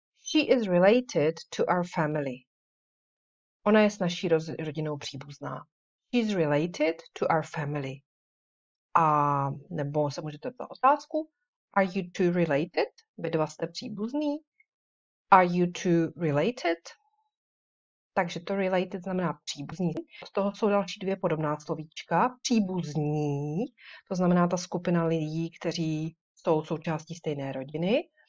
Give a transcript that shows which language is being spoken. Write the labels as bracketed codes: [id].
[en] She is related to our family. [cs] Ona je s naší rodinou příbuzná. [en] She's related to our family. [cs] A nebo se můžete ptát otázku. [en] Are you two related? [cs] Vy dva jste příbuzní. [en] Are you two related? [cs] Takže to related znamená příbuzní. Z toho jsou další dvě podobná slovíčka. Příbuzní, to znamená ta skupina lidí, kteří jsou součástí stejné rodiny.